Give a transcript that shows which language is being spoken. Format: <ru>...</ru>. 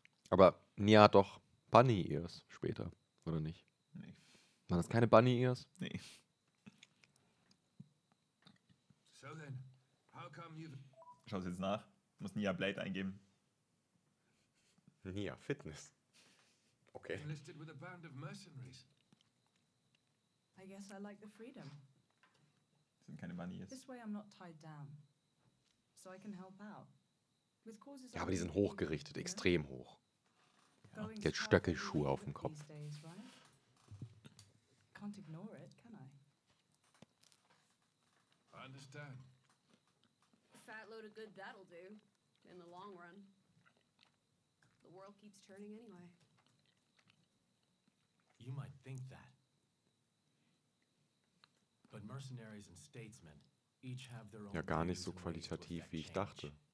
<de>Aber Nia hat doch Bunny Ears später, oder nicht? Nee. Waren das keine Bunny Ears? Nee.</de> <en>So then, how come you...</en> <de>Schau es jetzt nach. Ich muss Nia Blade eingeben. Nia, Fitness. Okay.</de> <en>Enlisted with a band of mercenaries. I guess I like the freedom.</en> <de>Sind keine Bunnies.</de> <en>This way I'm not tied down. So I can help out. With causes.</en> <de>Ja, aber die sind hochgerichtet, extrem hoch. Ja. Jetzt Stöckelschuhe auf dem Kopf.</de> <en>Can't ignore it, can I? I understand. Fat load of good that'll do in the long run. The world keeps turning anyway. You might think that. But mercenaries and statesmen each have their own.</en> <de>Ja, gar nicht so qualitativ, wie ich dachte.</de>